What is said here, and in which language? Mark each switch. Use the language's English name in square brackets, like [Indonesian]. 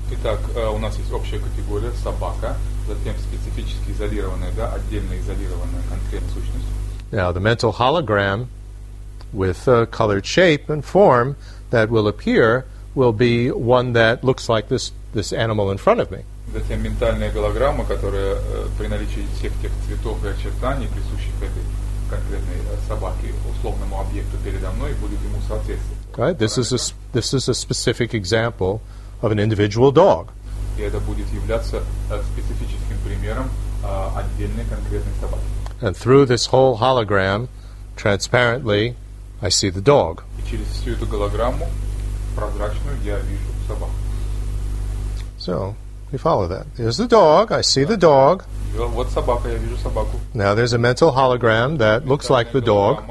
[Russian] Итак, у нас есть общая категория собака, затем специфически изолированная, да, отдельно изолированная конкретная сущность. [English] Now, the mental hologram with a colored shape and form that will appear will be one that looks like this animal in front of me. [Russian] Затем ментальная голограмма, которая при наличии всех тех цветов и очертаний, присущих этой конкретной собаке, условному объекту передо мной, будет ему соответствовать. [English] Right, this is a specific example of an individual dog. [Russian] И это будет являться специфическим примером отдельной конкретной собаки. [English] And through this whole hologram, transparently, I see the dog. [Russian] И через всю эту голограмму прозрачную я вижу собаку. [English] So, we follow that. There's the dog. I see the dog. [Russian] Вот собака, я вижу собаку. [English] Now there's a mental hologram that looks like the dog.